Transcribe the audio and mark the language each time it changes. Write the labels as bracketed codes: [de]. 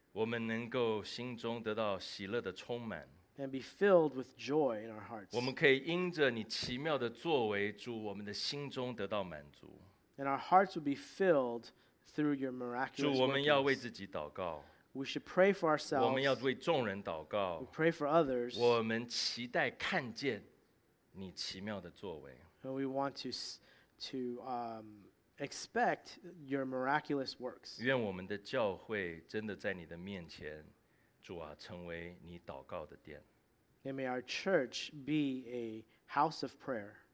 [zh] 我们能够心中得到喜乐的充满。 [en] And be filled with joy in our hearts. [zh] 我们可以因着你奇妙的作为，主，我们的心中得到满足。 [en] And our hearts will be filled through your miraculous workings. [zh] 主，我们要为自己祷告。 [en] We should pray for ourselves. [zh] 我们要为众人祷告。 [en] We pray for others. [zh] 我们期待看见你奇妙的作为。 [en] And we want to expect your miraculous works. [zh] 愿我们的教会真的在你的面前。主啊，成为你祷告的殿。 [en] And may our church be a house of prayer.